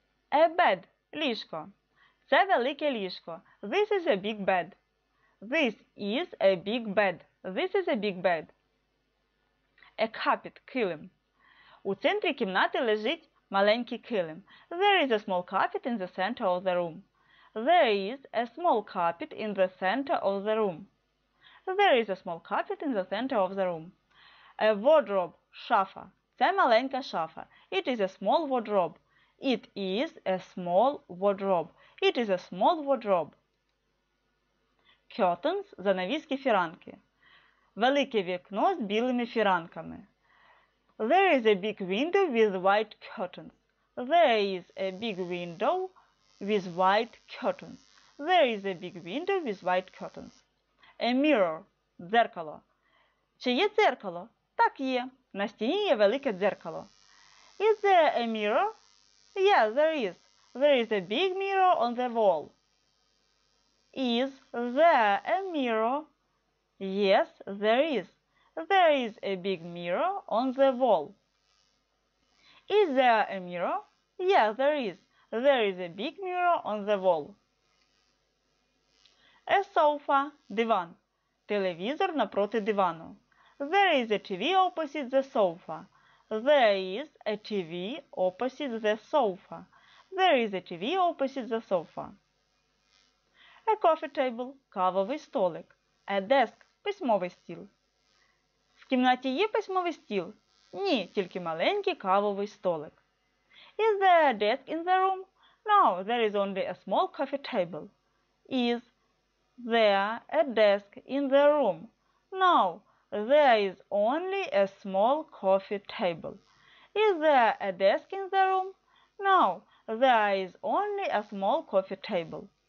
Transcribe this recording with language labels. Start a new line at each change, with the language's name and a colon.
Ukrainian: A bed – ліжко. Це велике ліжко.
English: This is a big bed. This is a big bed. This is a big bed. A carpet – килим.
Ukrainian: У центрі кімнати лежить маленький килим.
English: There is a small carpet in the center of the room. There is a small carpet in the center of the room. There is a small carpet in the center of the room. A wardrobe – шафа.
Ukrainian: Це маленька шафа.
English: It is a small wardrobe. It is a small wardrobe. It is a small wardrobe.
Ukrainian: Curtains – занавіски фіранки. Велике вікно з білими фіранками.
English: There is a big window with white curtains. There is a big window with white curtains. There is a big window with white curtains.
Ukrainian: A mirror. Дзеркало. Чи є дзеркало? Так, є. На стіні є велике дзеркало.
English: Is there a mirror? Yes, there is. There is a big mirror on the wall. Is there a mirror? Yes, there is. There is a big mirror on the wall. Is there a mirror? Yes, there is. There is a big mirror on the wall. A sofa. Диван.
Ukrainian: Телевізор напроти дивану.
English: There is a TV opposite the sofa. There is a TV opposite the sofa. There is a TV opposite the sofa. A coffee table.
Ukrainian: Кавовий столик. A desk. Письмовий стіл. В кімнаті є письмовий стіл? Ні, тільки маленький кавовий столик.
English: Is there a desk in the room? No, there is only a small coffee table. Is there a desk in the room? No, there is only a small coffee table. Is there a desk in the room? No, there is only a small coffee table.